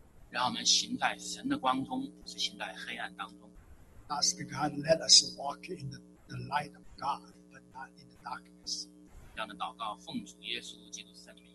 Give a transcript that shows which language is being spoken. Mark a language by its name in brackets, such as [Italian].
[Chinese] 让我们行在神的光中，不是行在黑暗当中。 [English] Ask God, let us walk in the light of God, but not in the darkness. [Chinese] 这样的祷告，奉主耶稣基督的圣名。